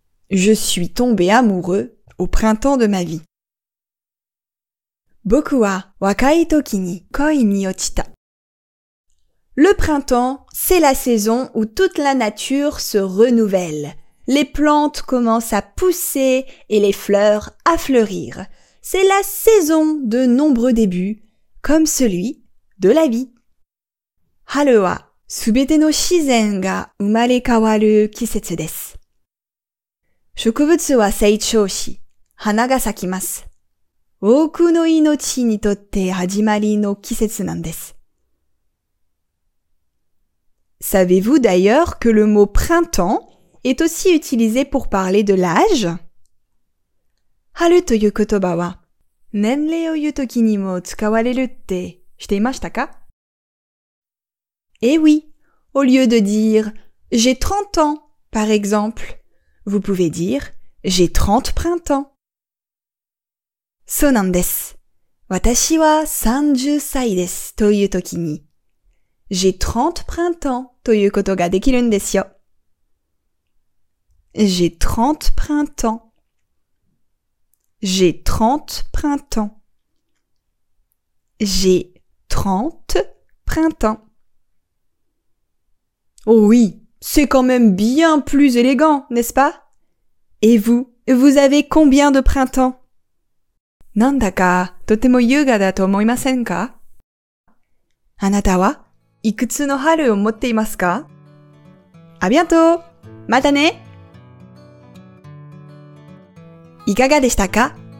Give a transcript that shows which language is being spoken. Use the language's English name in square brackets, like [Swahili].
[French] Je suis tombé amoureux au printemps de ma vie. [Japanese] 僕は若い時に恋に落ちた。 [French] Le printemps, c'est la saison où toute la nature se renouvelle. Les plantes commencent à pousser et les fleurs à fleurir. C'est la saison de nombreux débuts, comme celui de la vie. [Japanese] 春は全ての自然が生まれ変わる季節です。植物は成長し、花が咲きます。多くの命にとって始まりの季節なんです。 [French] Savez-vous d'ailleurs que le mot printemps est aussi utilisé pour parler de l'âge? [Japanese] 春という言葉は、年齢を言うときにも使われるって知っていましたか? [French] Eh oui, au lieu de dire « j'ai 30 ans » par exemple, vous pouvez dire « j'ai 30 printemps ». [Japanese] そうなんです。私は30歳ですというときに、 J'ai 30 printemps ということができるんですよ。 [French] J'ai 30 printemps. J'ai 30 printemps. J'ai 30 printemps. Oh oui, c'est quand même bien plus élégant, n'est-ce pas? Et vous, vous avez combien de printemps? [Japanese] なんだか、とても優雅だと思いませんか? あなたはいくつの春を持っていますか? [French] あ、bientôt! [Japanese] またね! いかがでしたか?